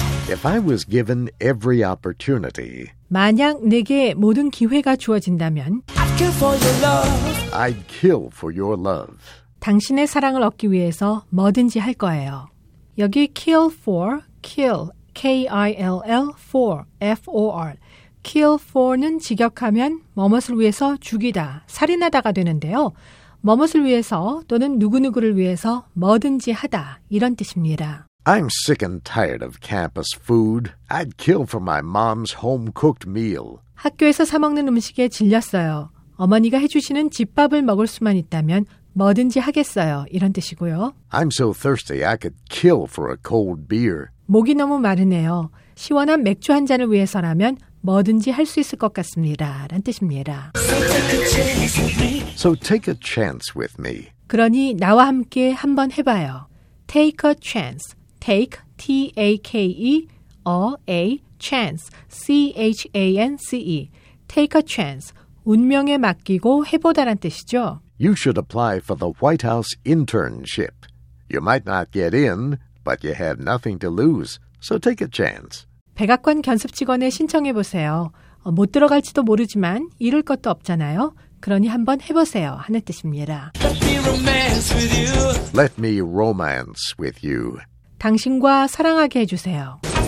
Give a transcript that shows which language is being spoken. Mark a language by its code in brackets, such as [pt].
[en] If I was given every opportunity, [ko] 만약 내게 모든 기회가 주어진다면, [en] I'd kill for your love. I'd kill for your love. [ko] 당신의 사랑을 얻기 위해서 뭐든지 할 거예요. 여기 [en] kill for, kill, K-I-L-L, for, F-O-R. [ko] kill for는 직역하면 무엇을 위해서 죽이다, 살인하다가 되는데요. 무엇을 위해서 또는 누구누구를 위해서 뭐든지 하다, 이런 뜻입니다. [en] I'm sick and tired of campus food. I'd kill for my mom's home-cooked meal. [ko] 학교에서 사 먹는 음식에 질렸어요. 어머니가 해주시는 집밥을 먹을 수만 있다면 뭐든지 하겠어요. 이런 뜻이고요. [en] I'm so thirsty I could kill for a cold beer. [ko] 목이 너무 마르네요. 시원한 맥주 한 잔을 위해서라면 뭐든지 할 수 있을 것 같습니다. 라는 뜻입니다. [en] So take a chance with me. [ko] 그러니 나와 함께 한번 해봐요. [en] Take a chance. Take, T-A-K-E, a, a, chance, C-H-A-N-C-E. Take a chance. [ko] 운명에 맡기고 해보다란 뜻이죠. [en] You should apply for the White House internship. You might not get in, but you have nothing to lose, so take a chance. [ko] 백악관 견습 직원에 신청해보세요. 못 들어갈지도 모르지만 잃을 것도 없잖아요. 그러니 한번 해보세요 하는 뜻입니다. [en] Let me romance with you. Let me romance with you. [ko] 당신과 사랑하게 해주세요.